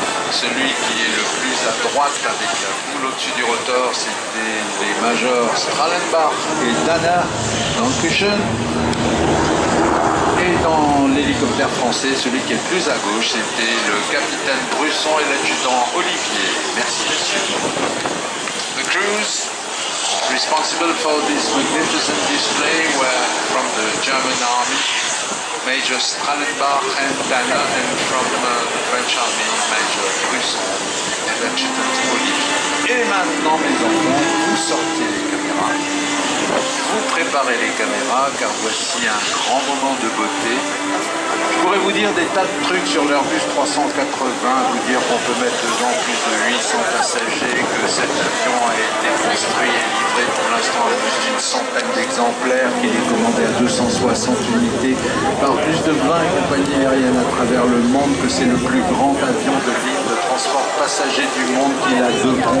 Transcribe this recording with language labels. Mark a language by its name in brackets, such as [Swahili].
[French] Celui qui est le plus à droite avec la boule au-dessus du rotor, c'était les majors Strahlenbach et Dana dans le cushion. Et dans l'hélicoptère français, celui qui est le plus à gauche, c'était le capitaine Brusson et l'adjudant Olivier. Merci, monsieur. [English] The crews responsible for this magnificent display were from the German Army, Major Strahlenbach and Dana, and from the French Army, Major Brusson and adjutant Olivier. [French] Et maintenant, mes enfants, vous sortez les caméras. Vous préparez les caméras car voici un grand moment de beauté. Je pourrais vous dire des tas de trucs sur l'Airbus 380, vous dire qu'on peut mettre dedans plus de 800 passagers, que cet avion a été construit et livré pour l'instant à plus d'une centaine d'exemplaires, qu'il est commandé à 260 unités par plus de 20 compagnies aériennes à travers le monde, que c'est le plus grand avion de ligne de transport passagers du monde qu'il a de bon.